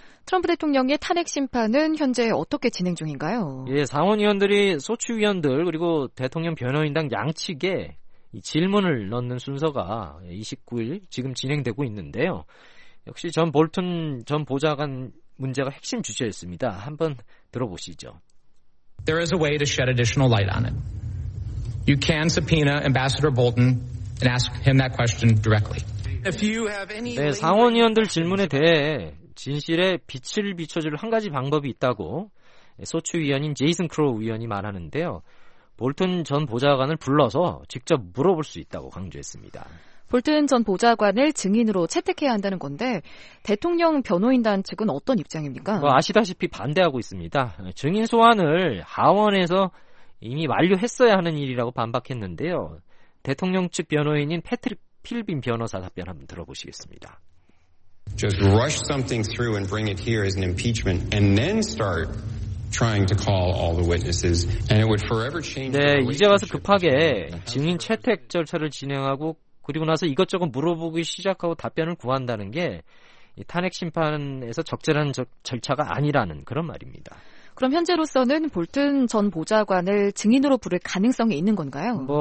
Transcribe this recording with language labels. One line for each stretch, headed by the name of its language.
Korean: 트럼프 대통령의 탄핵 심판은 현재 어떻게 진행 중인가요? 예, 상원의원들이 소추위원들 그리고 대통령 변호인단 양측에 질문을 넣는 순서가 29일 지금 진행되고 있는데요. 역시 전 볼튼 전 보좌관 문제가 핵심 주제였습니다. 한번 들어보시죠.
English: There is a way to shed additional light on it. You can subpoena Ambassador Bolton and ask him that question directly. If you have any
Korean: 네, 상원의원들 질문에 대해 진실에 빛을 비춰줄 한 가지 방법이 있다고 소추위원인 제이슨 크로우 위원이 말하는데요. 볼튼 전 보좌관을 불러서 직접 물어볼 수 있다고 강조했습니다. 볼튼 전 보좌관을 증인으로 채택해야 한다는 건데 대통령 변호인단 측은 어떤 입장입니까? 아시다시피 반대하고 있습니다. 증인 소환을 하원에서 이미 완료했어야 하는 일이라고 반박했는데요. 대통령 측 변호인인 패트릭 필빈 변호사 답변 한번 들어보시겠습니다.
English: Just rush something through and bring it here as an impeachment and then start trying to call all the witnesses and it would forever change.
Korean: 네, 이제 와서 급하게 증인 채택 절차를 진행하고 그리고 나서 이것저것 물어보기 시작하고 답변을 구한다는 게 탄핵 심판에서 적절한 절차가 아니라는 그런 말입니다. 그럼 현재로서는 볼튼 전 보좌관을 증인으로 부를 가능성이 있는 건가요?